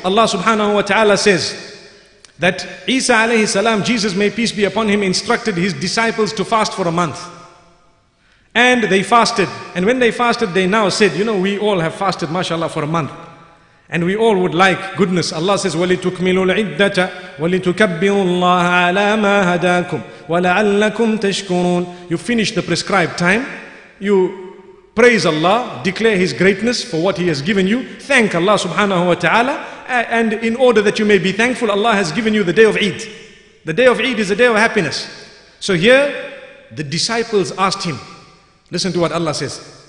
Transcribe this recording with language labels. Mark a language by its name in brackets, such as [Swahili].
[English] Allah subhanahu wa ta'ala says that Isa alayhi salam, Jesus may peace be upon him, instructed his disciples to fast for a month. And they fasted. And when they fasted, they now said, you know, we all have fasted, mashallah, for a month. And we all would like goodness. Allah says, [Arabic] وَلِتُكْمِلُوا الْعِدَّةَ وَلِتُكَبِّرُوا اللَّهَ عَلَى مَا هَدَاكُمْ وَلَعَلَّكُمْ تَشْكُرُونَ. [English] You finish the prescribed time, you praise Allah, declare His greatness for what He has given you, thank Allah subhanahu wa ta'ala, and in order that you may be thankful, Allah has given you the day of Eid. The day of Eid is a day of happiness. So here, the disciples asked Him, listen to what Allah says,